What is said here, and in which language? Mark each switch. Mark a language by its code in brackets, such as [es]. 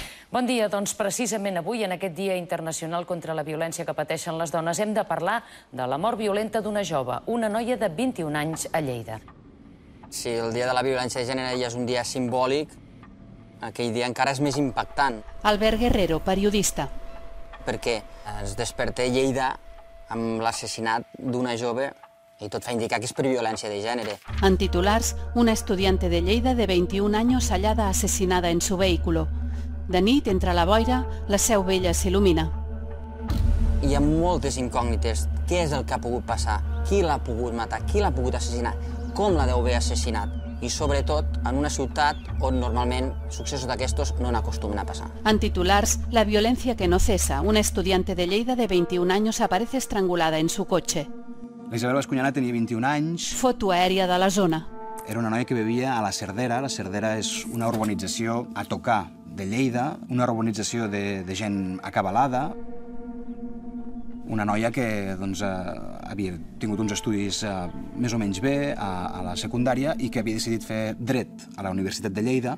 [ca] Bon dia. Doncs precisament avui, en aquest Dia Internacional contra la violència que pateixen les dones, hem de parlar de la mort violenta d'una jove, una noia de 21 anys a Lleida. Sí, el Dia de la Violència de Gènere ja és un dia simbòlic, aquell dia encara és més impactant. Albert Guerrero, periodista. Perquè es desperté Lleida amb l'assassinat d'una jove i tot fa indicar que és per violència de gènere. En titulars, [es] una estudiante de Lleida de 21 años hallada asesinada en su vehículo. [ca] De nit, entre la boira, la Seu Vella s'il·lumina. Hi ha moltes incògnites. Què és el que ha pogut passar? Qui l'ha pogut matar? Qui l'ha pogut assassinar? Com la deu haver assassinat? I sobretot en una ciutat on normalment successos d'aquestos no n'acostumen a passar. En titulars, la violència que no cessa. [es] Una estudiante de Lleida de 21 años aparece estrangulada en su coche. [ca] La Isabel Bascuñana tenia 21 anys. Foto aèria de la zona. Era una noia que vivia a la Cerdera. La Cerdera és una urbanització a tocar de Lleida, una urbanització de gent acabalada. Una noia que doncs, havia tingut uns estudis més o menys bé a la secundària i que havia decidit fer dret a la Universitat de Lleida.